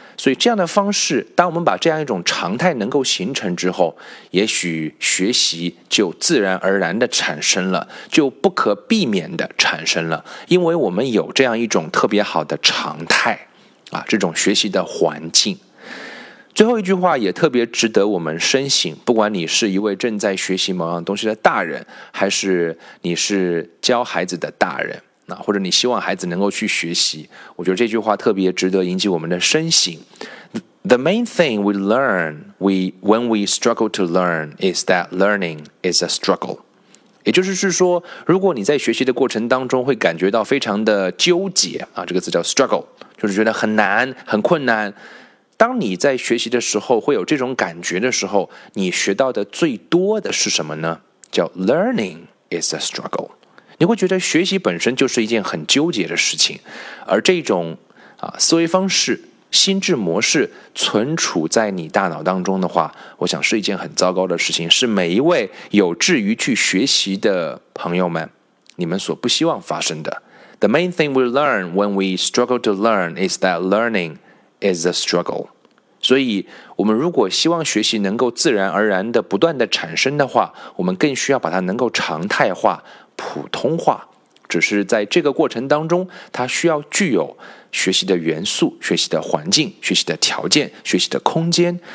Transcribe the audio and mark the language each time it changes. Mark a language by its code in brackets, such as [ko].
[zh] 所以这样的方式，当我们把这样一种常态能够形成之后，也许学习就自然而然的产生了，就不可避免的产生了，因为我们有这样一种特别好的常态啊，这种学习的环境。最后一句话也特别值得我们深省，不管你是一位正在学习某样东西的大人，还是你是教孩子的大人，或者你希望孩子能够去学习，我觉得这句话特别值得引起我们的深省。 [en] The main thing we learn when we struggle to learn is that learning is a struggle. [zh] 也就是说，如果你在学习的过程当中会感觉到非常的纠结、这个词叫 struggle, 就是觉得很难很困难，当你在学习的时候会有这种感觉的时候，你学到的最多的是什么呢？ [en] 叫 learning is a struggle。 [zh] 你会觉得学习本身就是一件很纠结的事情，而这种、思维方式、心智模式存储在你大脑当中的话，我想是一件很糟糕的事情，是每一位有志于去学习的朋友们，你们所不希望发生的。 [en] The main thing we learn when we struggle to learn is that learning is a struggle. [zh] 所以我们如果希望学习能够自然而然的不断的产生的话，我们更需要把它能够常态化，普通话。只是在这个过程当中，它需要具有学习的元素、学习的环境、学习的条件、学习的空间。